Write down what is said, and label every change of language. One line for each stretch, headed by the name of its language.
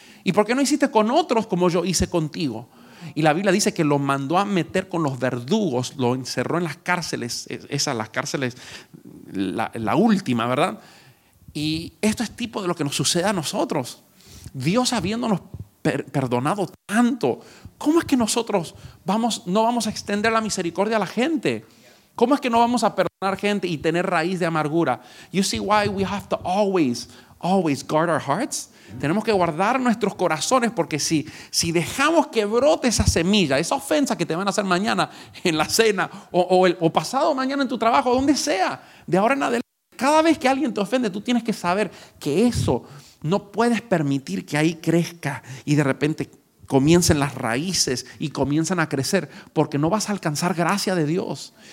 Spanish: ¿Y por qué no hiciste con otros como yo hice contigo? Y la Biblia dice que lo mandó a meter con los verdugos, lo encerró en las cárceles, esas las cárceles, la última, ¿verdad? Y esto es tipo de lo que nos sucede a nosotros. Dios habiéndonos perdonado tanto, ¿cómo es que nosotros no vamos a extender la misericordia a la gente? ¿Cómo es que no vamos a perdonar gente y tener raíz de amargura?
English: You see why we have to always, always guard our hearts?
Spanish: Tenemos que guardar nuestros corazones porque si dejamos que brote esa semilla, esa ofensa que te van a hacer mañana en la cena o pasado mañana en tu trabajo, donde sea, de ahora en adelante, cada vez que alguien te ofende, tú tienes que saber que eso no puedes permitir que ahí crezca y de repente comiencen las raíces y comienzan a crecer porque no vas a alcanzar gracia de Dios.